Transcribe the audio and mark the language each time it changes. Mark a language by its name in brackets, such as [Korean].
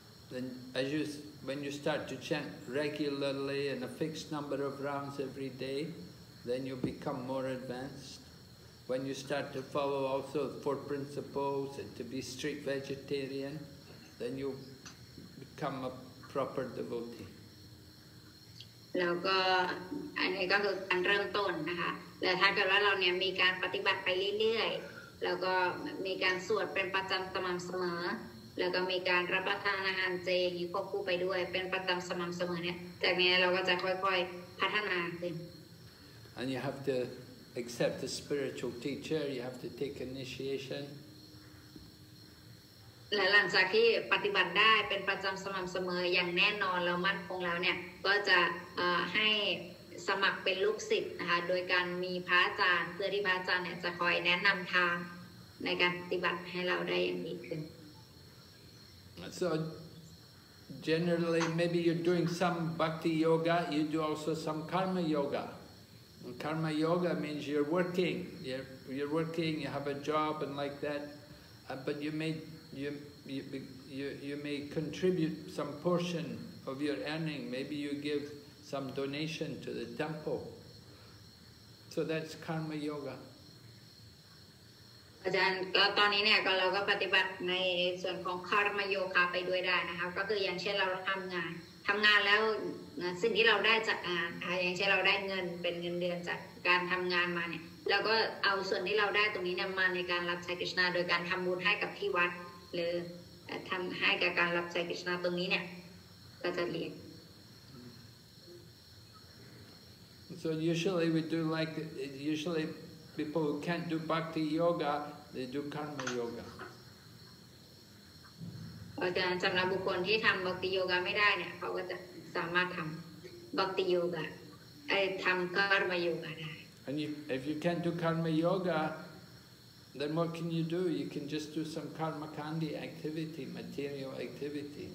[English] Then, as you when you start to chant regularly and a fixed number of rounds every day, then you become more advanced. When you start to follow also the four principles and to be strict vegetarian, then you become a proper devotee. [Thai] แล้วก็อันนี้ก็คืออันเริ่มต้นนะคะแล้วถ้าเกิดว่าเราเนี่ยมีการปฏิบัติไปเรื่อยๆแล้วก็มีการสวดเป็นประจำสม่ำเสมอแล้วก็มีการรับประทานอาหารเจอย่างนี้ควบคู่ไปด้วยเป็นประจำสม่ำเสมอเนี่ยจากนี้เราก็จะค่อยๆพัฒนาขึ้น [English] And you have to accept the spiritual teacher. You have to take initiation. [Thai] และหลังจากที่ปฏิบัติได้เป็นประจำสม่ำเสมออย่างแน่นอนแล้วมั่นคงแล้วเนี่ยก็จะให้สมัครเป็นลูกศิษย์นะคะโดยการมีพระอาจารย์เพื่อที่พระอาจารย์เนี่ยจะคอยแนะนำทางในการปฏิบัติให้เราได้อย่างดีขึ้น [English] So generally maybe you're doing some bhakti yoga you do also some karma yoga and karma yoga means you're working you have a job and like that but you may contribute some portion of your earning. Maybe you give some donation to the temple. So that's karma yoga. [Thai] อาจารย์ก็ตอนนี้เนี่ยก็เราก็ปฏิบัติในส่วนของคาร์มโยคะไปด้วยได้นะคะก็คืออย่างเช่นเราทำงานแล้วสิ่งที่เราได้จากงานอย่างเช่นเราได้เงินเป็นเงินเดือนจากการทำงานมาเนี่ยเราก็เอาส่วนที่เราได้ตรงนี้เนี่ยมาในการรับใช้กฤษณาโดยการทำบุญให้กับที่วัดหรือทำให้กับการรับใช้กฤษณาตรงนี้เนี่ยก็จะเรียน [English] So usually we do like usually people who can't do bhakti yoga they do karma yoga [Thai] อาจารย์สำหรับบุคคลที่ทำบัคติโยกะไม่ได้เนี่ยเขาก็จะสามารถทำบัคติโยกะทำคาร์มโยกะได้ [English] And if you can't do karma yoga, then what can you do? You can just do some karma kandi activity, material activity.